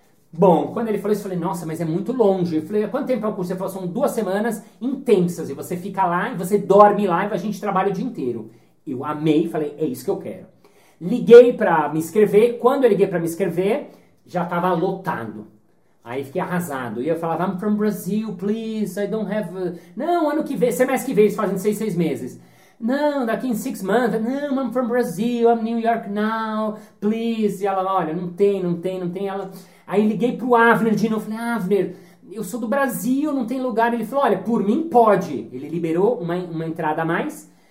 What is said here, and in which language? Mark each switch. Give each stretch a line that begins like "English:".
Portuguese: Bom, quando ele falou isso, eu falei, nossa, mas é muito longe. Eu falei, quanto tempo é o curso? Ele falou, são 2 semanas intensas. E você fica lá, e você dorme lá, e a gente trabalha o dia inteiro. Eu amei, falei, é isso que eu quero. Liguei pra me inscrever. Quando eu liguei pra me inscrever, já tava lotado. Aí fiquei arrasado. E eu falava,
English: I'm from Brazil, please, I don't have...
Portuguese: Não, ano que vem, semestre que vem, eles fazem 6 meses. Não, daqui em
English: 6 months,
Portuguese: não,
English: I'm from Brazil, I'm New York now, please.
Portuguese: E ela, olha, não tem. Ela... Aí liguei pro Avner de novo, falei, Avner, eu sou do Brasil, não tem lugar. Ele falou, olha, por mim pode. Ele liberou uma entrada a mais.